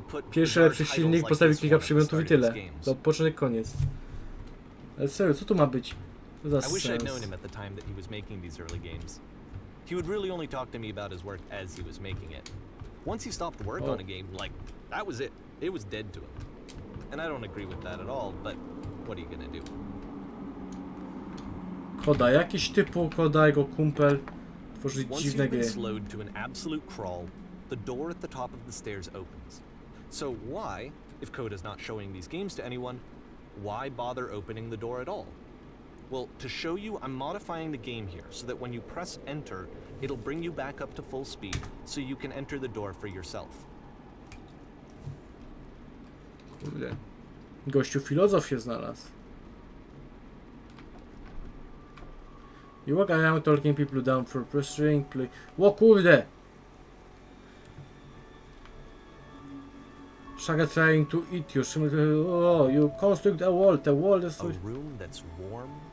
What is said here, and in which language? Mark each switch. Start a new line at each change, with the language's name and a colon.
Polish: Pierwszy lepszy silnik, postawił kilka przedmiotów i tyle. To początek, koniec. Ale serio, co tu ma być?
English: I wish I'd known him at the time that he was making these early games. He would really only talk to me about his work as he was making it. Once he stopped work on a game, like, that was it. It was dead to him. And I don't agree with that at all, but what are you gonna do?
Polish: Koda, jakiś typu koda, jego kumpel tworzy dziwne gry.
English: Once you've been slowed to an absolute crawl, the door at the top of the stairs opens. So why, if Koda's not showing these games to anyone, why bother opening the door at all? Well, to show you, I'm modifying the game here, so that when you press enter, it'll bring you back up to full speed, so you can enter the door for yourself.
Polish: Kurde. Gościu filozof się znalazł.
English: You walk around talking people down for pressing play.
Polish: Wo kurde!
English: Shaga trying to eat you. Oh, you construct a wall. The wall is... A room that's warm.